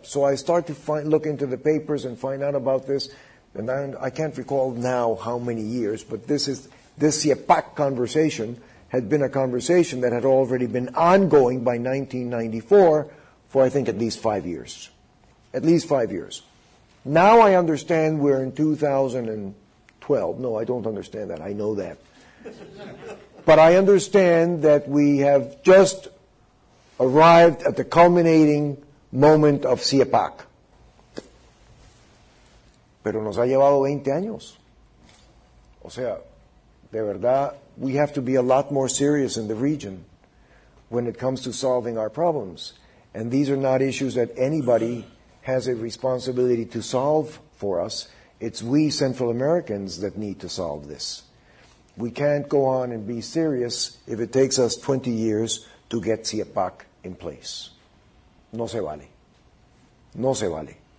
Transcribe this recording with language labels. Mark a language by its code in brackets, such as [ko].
[en] So I start to look into the papers and find out about this, and I can't recall now how many years, but this CIEPAC conversation had been a conversation that had already been ongoing by 1994 for, I think, at least 5 years. At least 5 years. Now I understand we're in 2012. No, I don't understand that. I know that. But I understand that we have just arrived at the culminating moment of CIEPAC. [es] Pero nos ha llevado 20 años. O sea, de verdad, [en] we have to be a lot more serious in the region when it comes to solving our problems. And these are not issues that anybody has a responsibility to solve for us. It's we Central Americans that need to solve this. We can't go on and be serious if it takes us 20 years to get CIEPAC in place. [es] No se vale. No se vale.